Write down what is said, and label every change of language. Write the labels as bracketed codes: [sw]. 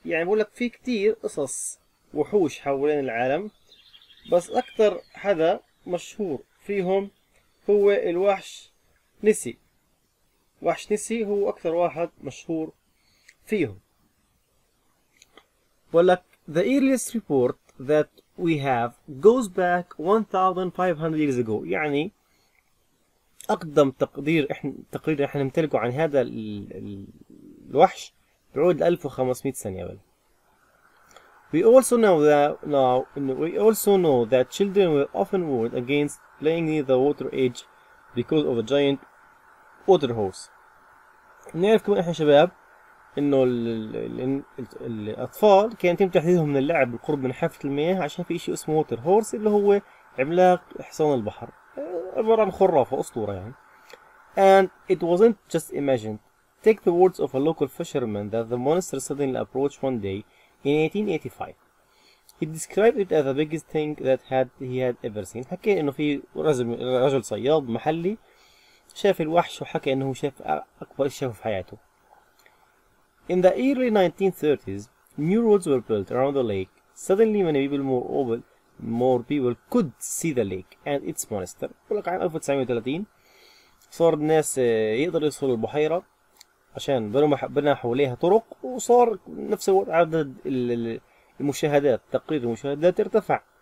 [ar] يعني بقولك في كتير قصص وحوش حوالين العالم، بس أكثر حدا مشهور فيهم هو الوحش نيسي. وحش نيسي هو أكثر واحد مشهور فيهم. بقولك [en] the earliest report that we have goes back 1500 years ago. [ar] يعني أقدم تقرير احنا نمتلكه عن هذا الوحش بعود 1500 سنة قبل. [en] We also know that children were often warned against playing near the water edge because of a giant water horse. [ar] نعرف كمان احنا شباب انه الاطفال كان يتم تحذيرهم من اللعب بالقرب من حافة المياه عشان في اشي اسمه ووتر هورس اللي هو عملاق حصان البحر، عبارة عن خرافة اسطورة يعني. [en] And it wasn't just imagined. Take the words of a local fisherman that the monster suddenly approached one day in 1885. He described it as the biggest thing that he had ever seen. [ar] حكى انه في رجل صياد محلي شاف الوحش وحكى انه شاف اكبر اشي شافه في حياته. [en] In the early 1930s, new roads were built around the lake. Suddenly, many people more people could see the lake and its monster. [ar] بقول لك عام 1930 صار الناس يقدر يوصل البحيرة عشان بنى حواليها طرق، وصار نفس الوقت عدد المشاهدات، تقرير المشاهدات ارتفع.